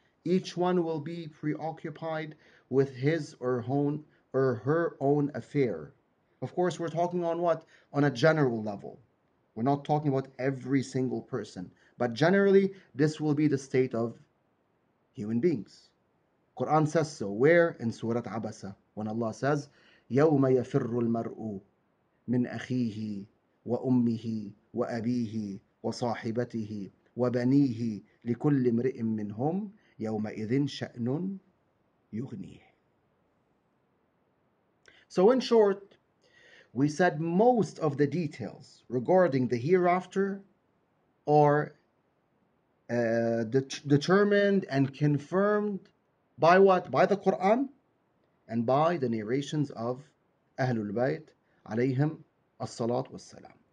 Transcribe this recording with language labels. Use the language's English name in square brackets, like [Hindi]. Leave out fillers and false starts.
[English] Each one will be preoccupied with his or her own affair. Of course, we're talking on what? On a general level. We're not talking about every single person. But generally, this will be the state of human beings. Quran says so. Where? In Surah Abasa. When Allah says, [Arabic] يَوْمَ يَفِرُّ الْمَرْءُ مِنْ أَخِيهِ وَأُمِّهِ وَأَبِيهِ وَصَاحِبَتِهِ وَبَنِيهِ لِكُلِّ امْرِئٍ مِّنْهُمْ يَوْمَئِذٍ شَأْنٌ يُغْنِيهِ. [English] So in short, we said most of the details regarding the hereafter are determined and confirmed by what? By the Quran and by the narrations of Ahlul Bayt alayhim as-salat was-salam.